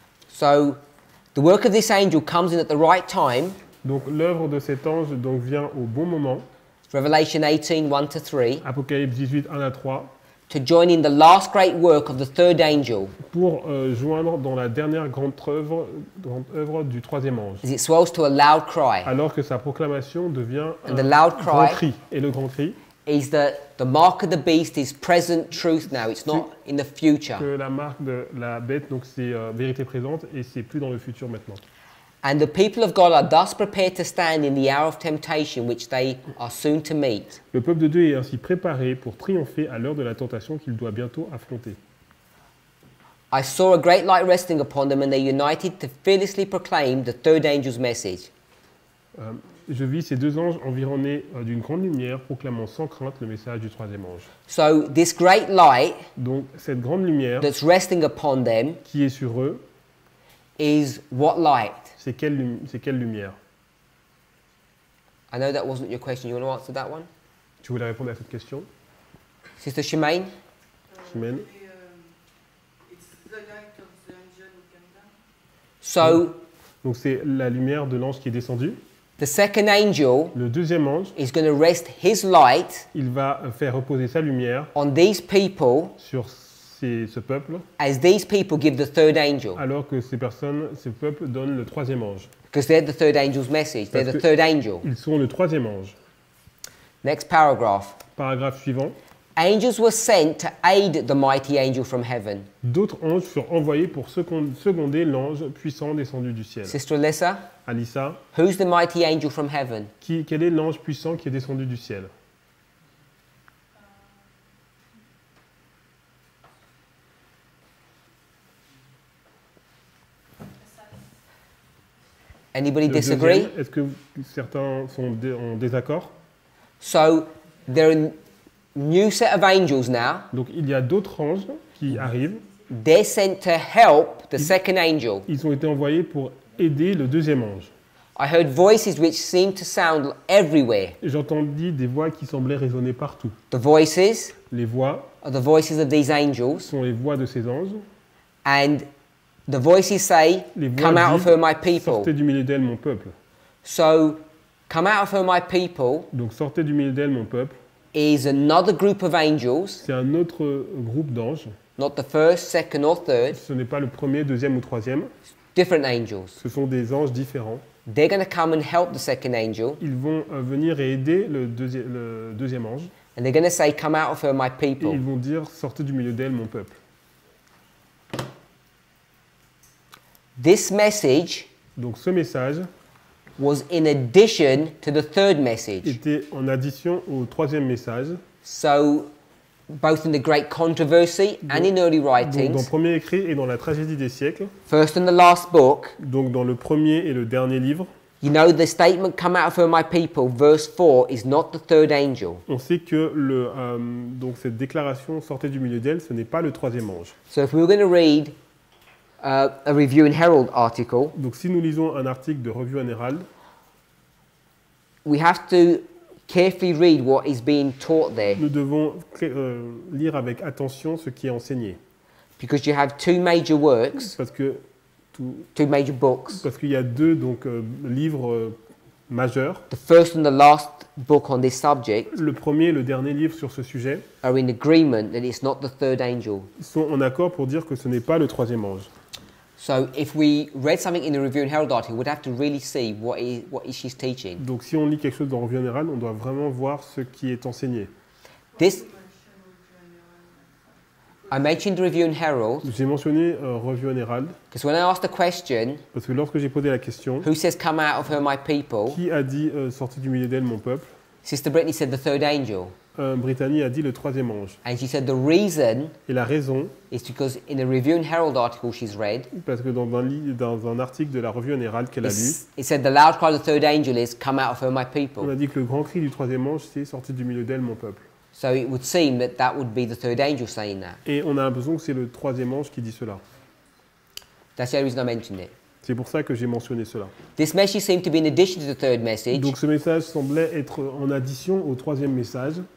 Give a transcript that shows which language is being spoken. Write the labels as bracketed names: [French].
[English] So the work of this angel comes in at the right time. [French] Donc l'œuvre de cet ange donc vient au bon moment. [English] Revelation 18:1-3. [French] Apocalypse 18:1-3. [English] To join in the last great work of the third angel. [French] Pour joindre dans la dernière grande œuvre du troisième ange. [English] As it swells to a loud cry. [French] Alors que sa proclamation devient [English] and the loud cry [French] grand cri. Et le grand cri. [English] Is that the mark of the beast is present truth now? It's not in the future. [French] Que la marque de la bête donc c'est vérité présente et c'est plus dans le futur maintenant. [English] And the people of God are thus prepared to stand in the hour of temptation which they are soon to meet. [French] Le peuple de Dieu est ainsi préparé pour triompher à l'heure de la tentation qu'il doit bientôt affronter. [English] I saw a great light resting upon them and they united to fearlessly proclaim the third angel's message. [French] Je vis ces deux anges environnés d'une grande lumière proclamant sans crainte le message du troisième ange. [English] So this great light [French] donc cette grande lumière [English] that's resting upon them [French] qui est sur eux [English] is what light? [French] C'est quelle lumière? [English] I know that wasn't your question. You want to answer that one? [French] Tu voulais répondre à cette question? [English] Sister Shemaine? [French] semaine. [English] So, [French] donc c'est la lumière de l'ange qui est descendue. [English] The second angel, [French] le deuxième ange, [English] is going to rest his light, [French] il va faire reposer sa lumière [English] on these people, [French] sur ces, ce peuple, [English] as these people give the third angel. [French] Alors que ces personnes, ce peuple donne le troisième ange. [English] Because they're the third angel's message. They're the third angel. [French] Ils sont le troisième ange. [English] Next paragraph. [French] Paragraphe suivant. [English] Angels were sent to aid the mighty angel from heaven. [French] D'autres anges furent envoyés pour seconder l'ange puissant descendu du ciel. [English] Sister Alyssa. [French] Alyssa. [English] Who's the mighty angel from heaven? [French] Quel est l'ange puissant qui est descendu du ciel? [English] Anybody disagree? [French] Est-ce que certains sont en désaccord? [English] So there are new set of angels now. [French] Donc il y a d'autres anges qui arrivent. [English] They're sent to help the second angel. [French] Ils ont été envoyés pour aider le deuxième ange. [English] I heard voices which seemed to sound everywhere. [French] J'entendis des voix qui semblaient résonner partout. [English] The voices. [French] Les voix. [English] Are the voices of these angels. [French] Sont les voix de ces anges. [English] And the voices say, come out of her, my people. [French] Sortez du milieu d'elle, mon peuple. [English] So, come out of her, my people. [French] Donc sortez du milieu d'elle, mon peuple. [English] Is another group of angels. [French] C'est un autre groupe d'anges. [English] Not the first, second or third. [French] Ce n'est pas le premier, deuxième ou troisième. [English] Different angels. [French] Ce sont des anges différents. [English] They're going to come and help the second angel. [French] Ils vont venir et aider le deuxième ange. [English] And they're going to say, come out of her, my people. [French] Et ils vont dire, sortez du milieu d'elle, mon peuple. [English] This message. [French] Donc ce message. [English] Was in addition to the third message. [French] Était en addition au troisième message. [English] So, both in the great controversy and in early writings. [French] Donc dans premier écrit et dans la tragédie des siècles. [English] First and the last book. [French] Donc dans le premier et le dernier livre. [English] You know the statement, "Come out of her, my people." Verse 4 is not the third angel. [French] On sait que donc cette déclaration sortait du milieu d'elle, ce n'est pas le troisième ange. [English] So if we were going to read. A Review and Herald article. [French] Donc, si nous lisons un article de Review and Herald, [English] we have to carefully read what is being taught there. [French] Nous devons lire avec attention ce qui est enseigné. [English] Because you have two major works. [French] Parce que [English] two major books. [French] Parce qu'il y a deux donc livres majeurs. [English] The first and the last book on this subject. [French] Le premier et le dernier livre sur ce sujet. [English] Are in agreement that it's not the third angel. [French] Sont en accord pour dire que ce n'est pas le troisième ange. [English] So if we read something in the Review and Herald article, we'd have to really see what she's teaching. [French] Donc si on lit quelque chose dans Review and Herald, on doit vraiment voir ce qui est enseigné. [English] I mentioned the Review and Herald. [French] J'ai mentionné Review and Herald. [English] Because when I asked the question, [French] parce que lorsque j'ai posé la question, [English] who says come out of her my people? [French] Qui a dit sortez du milieu d'elle mon peuple? [English] Sister Brittany said the third angel. [French] Brittany a dit le troisième ange. [English] And she said the reason. [French] Et la raison. [English] Is because in a Review and Herald article she's read. [French] Parce que dans un article de la Review and Herald qu'elle a lu. [English] It said the loud cry of the third angel is come out of her my people. [French] On a dit que le grand cri du troisième ange c'est sortez du milieu d'elle mon peuple. [English] So it would seem that that would be the third angel saying that. [French] Et on a l'impression que c'est le troisième ange qui dit cela. [English] That's the reason I mentioned it. [French] C'est pour ça que j'ai mentionné cela. [English] This message seemed to be in addition to the third message. [French] Donc ce message semblait être en addition au troisième message.